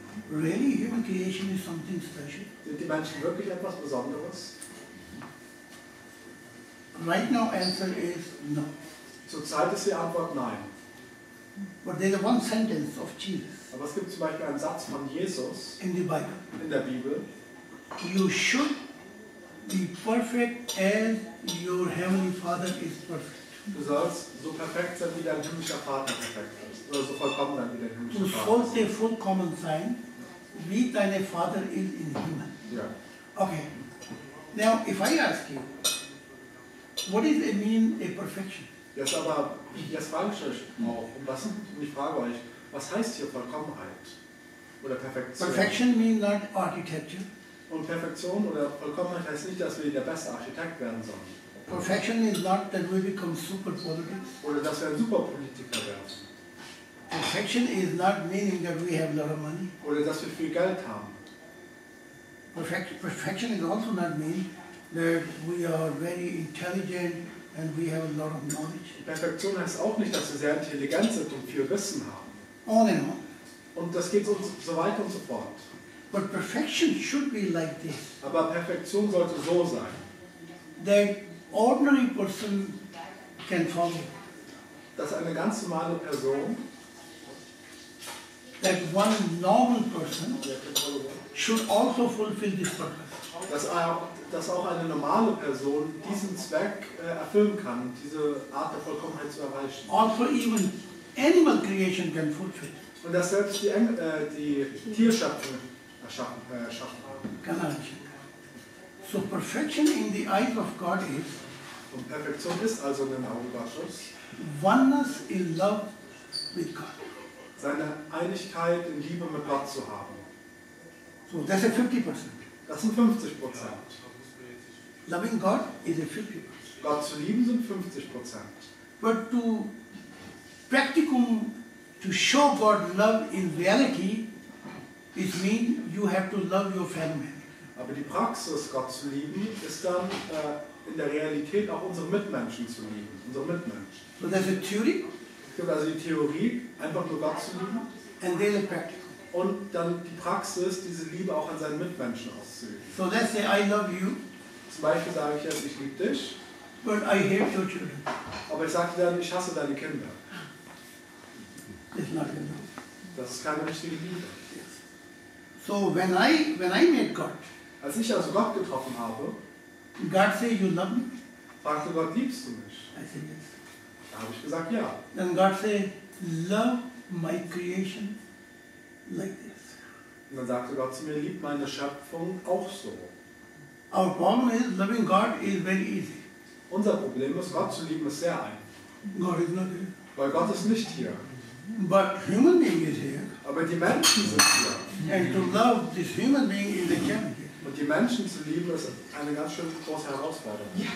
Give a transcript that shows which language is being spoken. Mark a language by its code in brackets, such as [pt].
[en] Really, human creation is something special? [de] Sind die Menschen wirklich etwas Besonderes? [en] Right now, answer is no. [de] Zurzeit ist die Antwort nein. [en] But there is one sentence of Jesus. [de] Aber es gibt zum Beispiel einen Satz von Jesus [en] in, the Bible. [de] In der Bibel. [en] You should be perfect as your heavenly Father is perfect. [de] Du sollst so perfekt sein, wie dein himmlischer Vater perfekt ist. Oder so vollkommen sein, wie dein himmlischer du Vater. Du sollst der vollkommen sein, wie dein Vater ist in Himmel. Ja. Okay. [en] Now, if I ask you, what is it mean a perfection? [de] Jetzt aber, jetzt frage ich euch auch, ich frage euch, was heißt hier Vollkommenheit oder Perfektion? [en] Perfection means not architecture. [de] Und Perfektion oder Vollkommenheit heißt nicht, dass wir der beste Architekt werden sollen. [en] Perfection is not that we become super politics. [de] Oder dass wir ein Superpolitiker werden. [en] Perfection is not meaning that we have a lot of money. [de] Oder dass wir viel Geld haben. [en] Perfection is also not meaning that we are very intelligent and we have a lot of knowledge. [de] Perfektion heißt auch nicht, dass wir sehr intelligent sind und viel Wissen haben. [en] On and on. [de] Und das geht uns so weiter und so fort. [en] But perfection should be like this. [de] Aber Perfektion sollte so sein. [en] That ordinary person can follow. [de] Dass eine ganz normale Person. [en] That one normal person should also fulfill this purpose. [de] Dass auch eine normale Person diesen Zweck erfüllen kann, diese Art der Vollkommenheit zu erreichen. [en] Also even. Animal creation can fulfill. [de] Und dass selbst die Tierschöpfung erschaffen [en] kann. So perfection in the eyes of God is. [de] Und Perfektion ist also in den Augen Gottes. [en] Oneness in love with God. [de] Seine Einigkeit in Liebe mit Gott zu haben. [en] So that's a 50%. [de] Das sind 50%. [en] Loving God is a 50%. [de] Gott zu lieben sind 50%. [en] But to practicum to show God love in reality is mean you have to love your family. [de] Aber die Praxis, Gott zu lieben, ist dann in der Realität auch unsere Mitmenschen zu lieben, unsere Mitmenschen. [en] So there's a theory. [de] Es gibt also die Theorie, einfach nur Gott zu lieben. [en] And then the practicum. [de] Und dann die Praxis, diese Liebe auch an seinen Mitmenschen auszuüben. [en] So let's say I love you. [de] Zum Beispiel sage ich jetzt, ich liebe dich. [en] But I hate your children. [de] Aber ich sage dann, ich hasse deine Kinder. [en] It's not enough. [de] Das ist keine richtige Liebe. [en] Yes. So when I met God, [de] als ich also Gott getroffen habe, [en] God said, you love me. [de] fragte Gott, liebst du mich? [en] I said yes. [de] Da habe ich gesagt, ja. [en] Then God said, love my creation like this. [de] Und dann sagte Gott zu mir, lieb meine Schöpfung auch so. [en] Our problem is loving God is very easy. [de] Unser Problem ist, Gott zu lieben, ist sehr einfach. [en] God is not here. [de] Weil Gott ist nicht hier. [en] But human being is here. [de] Aber die Menschen sind hier. [en] And to love this human being is a challenge. [de] Und die Menschen zu lieben ist eine ganz schön große Herausforderung.